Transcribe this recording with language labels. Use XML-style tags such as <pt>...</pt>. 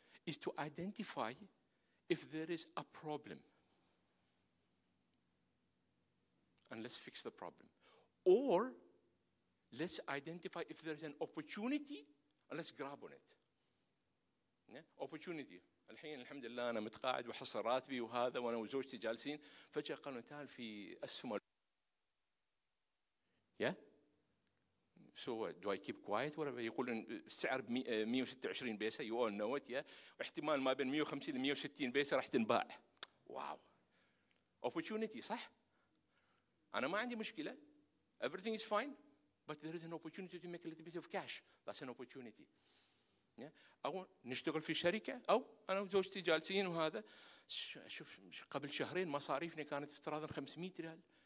<en>Is to identify if there is a problem. And let's fix the problem. Or let's identify if there is an opportunity and let's grab on it. Yeah? Opportunity.</en> <ar>الحين الحمد لله أنا متقاعد وحصل راتبي وهذا وأنا وزوجتي جالسين. فجأة قالوا تعال في أسهم</ar> <en>Yeah? So what, do I keep quiet? Whatever you call it,</en> <ar>السعر 126 بيسة,</ar> <en>you all know it, yeah?</en> <ar>واحتمال ما بين 150 ل 160 بيسة راح تنباع.</ar> <en>Wow. Opportunity,</en> <ar>صح? أنا ما عندي مشكلة.</ar> <en>Everything is fine. But there is an opportunity to make a little bit of cash. That's an opportunity. Yeah?</en> <ar>أو نشتغل في شركة أو أنا وزوجتي جالسين وهذا. شوف قبل شهرين مصاريفنا كانت افتراضا 500 ريال.</ar>